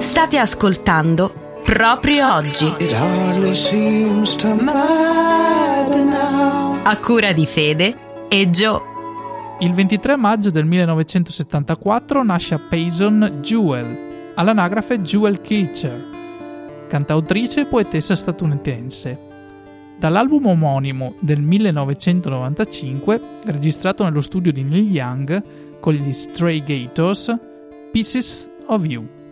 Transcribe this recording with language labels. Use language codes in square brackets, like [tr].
[it] State ascoltando Proprio Oggi. [en] It hardly seems to matter now. [it] A cura di Fede e Joe. Il 23 maggio del 1974 nasce a Payson Jewel, all'anagrafe Jewel Kilcher, cantautrice e poetessa statunitense. Dall'album omonimo del 1995, registrato nello studio di Neil Young con gli Stray Gators, Pieces of You.